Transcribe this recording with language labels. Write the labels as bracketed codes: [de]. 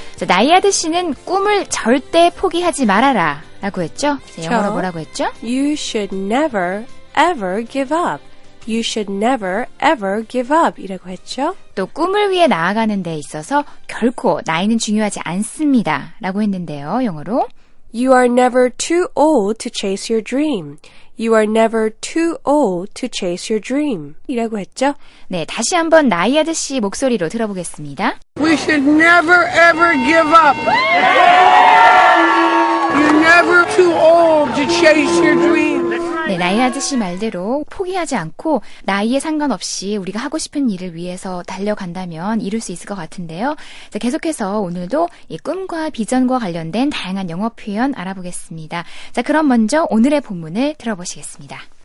[ko] 나이아드 씨는 꿈을 절대 포기하지 말아라 라고 했죠. 영어로 뭐라고 했죠? [en] You should never ever give up. You should never ever give up [ko] 이라고 했죠. 또 꿈을 위해 나아가는 데 있어서 결코 나이는 중요하지 않습니다 라고 했는데요. 영어로 [en] You are never too old to chase your dream. You are never too old to chase your dream [ko] 이라고 했죠. 네, 다시 한번 나이아드 씨 목소리로 들어보겠습니다. [en] We should never ever give up. You're never too old to chase your dream. [ko] 네, 나이아드 씨 말대로 포기하지 않고 나이에 상관없이 우리가 하고 싶은 일을 위해서 달려간다면 이룰 수 있을 것 같은데요. 자, 계속해서 오늘도 이 꿈과 비전과 관련된 다양한 영어 표현 알아보겠습니다. 자, 그럼 먼저 오늘의 본문을 들어보시겠습니다.